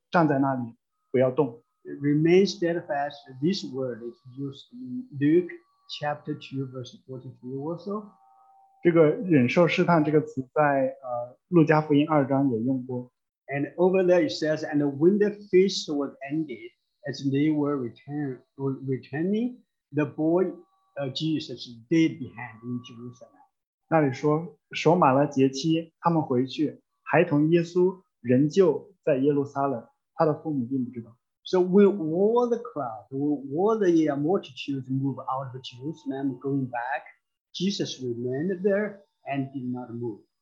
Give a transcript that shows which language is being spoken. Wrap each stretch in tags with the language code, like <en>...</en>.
<zh>所以忍受试探就是站在那里不要动。</zh> <en>Remain steadfast, this word is used in Luke chapter 2 verse 43 also.</en> <zh>这个忍受试探这个词在 路加福音2章也用过。</zh> <en>And over there it says, and when the feast was ended, as they were returning, the boy Jesus stayed behind in Jerusalem.</en> <zh>那里说守满了节期，他们回去，孩童耶稣仍旧在耶路撒冷，他的父母并不知道。</zh> <en>So when all the crowd, when all the multitudes moved out of Jerusalem, going back, Jesus remained there and did not move.</en>